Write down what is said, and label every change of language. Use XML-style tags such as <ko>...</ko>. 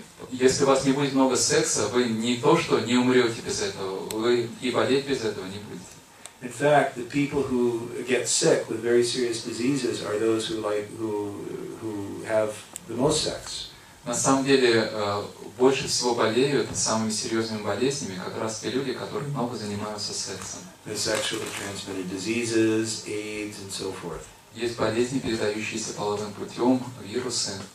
<ru>Если у вас не будет много секса, вы не то что не умрете без этого, вы и болеть без этого не будете.</ru> <en>In fact, the people who get sick with very serious diseases are those who have the most sex.</en> <ru>На самом деле, больше всего болеют самыми серьезными болезнями как раз те люди, которые много занимаются сексом.</ru> <en>The sexually transmitted diseases, AIDS, and so forth.</en> <ru>Есть болезни, передающиеся половым путем, вирусы.</ru>